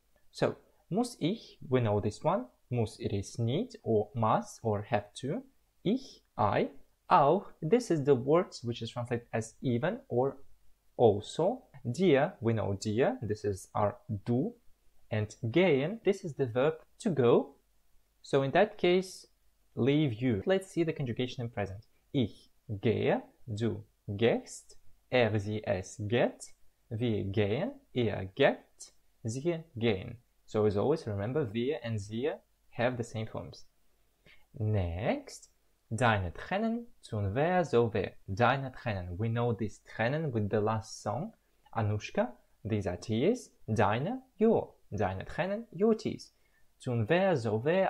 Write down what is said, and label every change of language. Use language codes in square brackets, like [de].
[en] So, [de] muss ich, [en] we know this one. Muss, it is need, or must, or have to. Ich, I. Auch, this is the word which is translated as even or also. Dir, we know dir, this is our du. And gehen, this is the verb to go. So in that case, leave you. Let's see the conjugation in present. [de] Ich gehe, du gehst, sie, es geht, wir gehen, geht, sie gehen. [en] So as always, remember, wir and sie have the same forms. Next. [de] Deine Tränen tun weh, so weh. Deine Tränen. [en] We know this Tränen with the last song. Anushka, these are tears. Deine, your. [de] Deine Tränen, [en] your tears. [de] Tun weh, so weh.